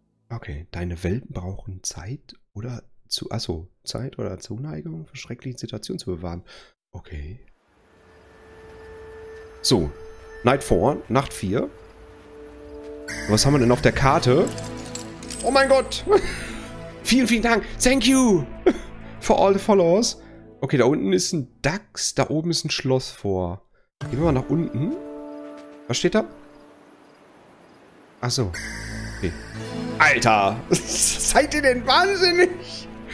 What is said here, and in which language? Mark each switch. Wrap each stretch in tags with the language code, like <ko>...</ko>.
<de>Okay, deine Welpen brauchen Zeit oder zu... Achso, Zeit oder Zuneigung für schreckliche Situationen zu bewahren. Okay. So, Night 4, Nacht 4. Was haben wir denn auf der Karte? Oh mein Gott. Vielen, vielen Dank.</de> <en>Thank you for all the followers.</en> <de>Okay, da unten ist ein Dachs, da oben ist ein Schloss vor. Gehen wir mal nach unten. Was steht da? Achso. Okay. Alter! Seid ihr denn wahnsinnig?</de>